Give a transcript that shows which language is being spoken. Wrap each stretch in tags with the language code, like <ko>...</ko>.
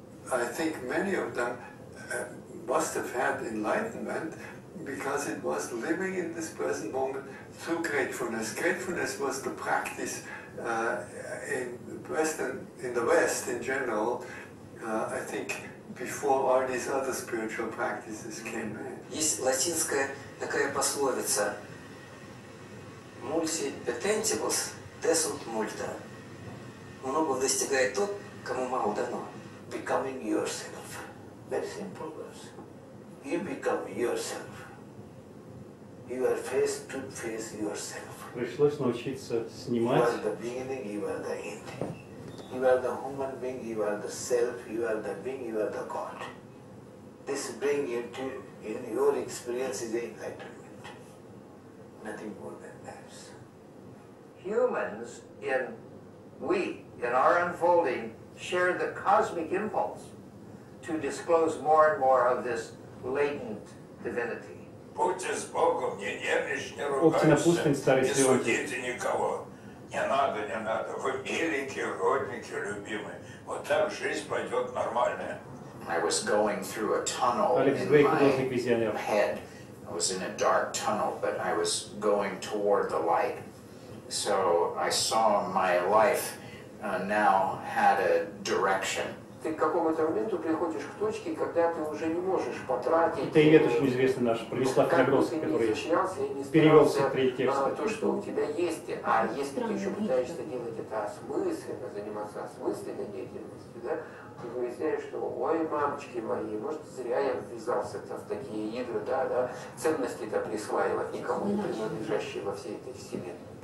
<en>I think many of them must have had enlightenment because it was living in this present moment through gratefulness. Gratefulness was the practice in the West in general, I think, before all these other spiritual practices came in.</en> <ru>Есть латинская такая пословица:</ru> <la>multi petentibus tessunt multa.</la> <ru>Много достигает тот, кому мало дано.</ru> <en>Becoming yourself. Very simple words. You become yourself. You are face to face yourself.</en> <ru>Пришлось научиться снимать.</ru> <en>You are the beginning, you are the end. You are the human being, you are the self, you are the being, you are the God. This brings you to, in your experience, is enlightenment. Nothing more than that. Humans, in our unfolding, share the cosmic impulse to disclose more and more of this latent divinity.</en> <ru>Будьте с Богом, не нервничайте, не ругайтесь, не судите никого. Не надо. Вы миленькие, родненькие, любимые. Вот так жизнь пойдет нормальная.</ru> <en>I was going through a tunnel in my head. I was in a dark tunnel, but I was going toward the light. So I saw my life now had a direction.</en> <ru>ты к какому-то моменту приходишь к точке, когда ты уже не можешь потратить... Это и веточку известный наш, Пролислав Кногровский, который перевелся в третий текст. То, что у тебя есть, а если ты еще пытаешься делать это осмысленно, заниматься осмысленной деятельностью, да, ты выясняешь, что, ой, мамочки мои, может, зря я ввязался в такие игры, да, ценности-то присваивать никому не принадлежащие во всей этой вселенной.</ru>